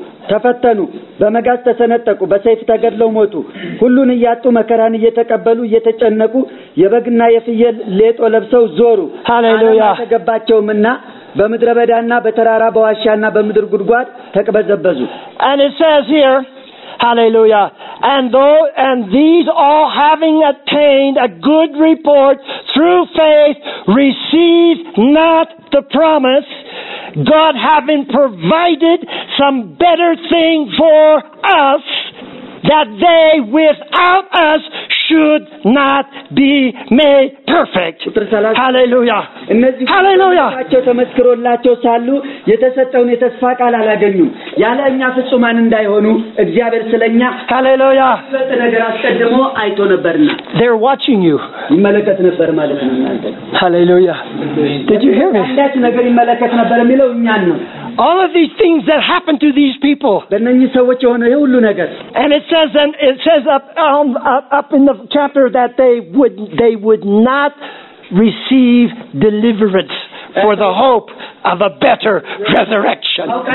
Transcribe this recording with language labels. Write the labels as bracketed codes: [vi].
[am] ተፈተኑ በመጋዝ ተሰነጠቁ በሰይፍ ተገድለው ሞቱ ሁሉን ያጡ መከራን እየተቀበሉ እየተጨነቁ የበግና የፍየል ሌጦ ለብሰው ዞሩ ሃሌሉያ ተገባቸውምና በመድረ በዳና በተራራ በዋሻና በመድር ጉድጓድ ተቀበዘበዙ [en] And it says here, hallelujah, and these all having attained a good report through faith receive not the promise, God having provided some better thing for us, that they without us should not be made perfect. Hallelujah. Hallelujah. [am] አቸው ተመስክሮላቸው ሳሉ የተሰጠውን የተስፋ ቃል አላገኙ ያለኛ ፍጹማን እንዳይሆኑ እግዚአብሔር ስለኛ ሃሌሉያ በተነገር አስቀድሞ አይቶ ነበርና [en] They're watching you. [am] ይመለከት ነበር ማለት ነው እናንተ [en] ሃሌሉያ Did you hear me? [am] አንተ ነገር ይመለከት ነበር የሚለው እኛን ነው [en] All of these things that happened to these people. [am] ለነኚህ ሰዎች የሆነ ሁሉ ነገር [en] And it says up in the chapter that they would not receive deliverance for the hope of a better resurrection.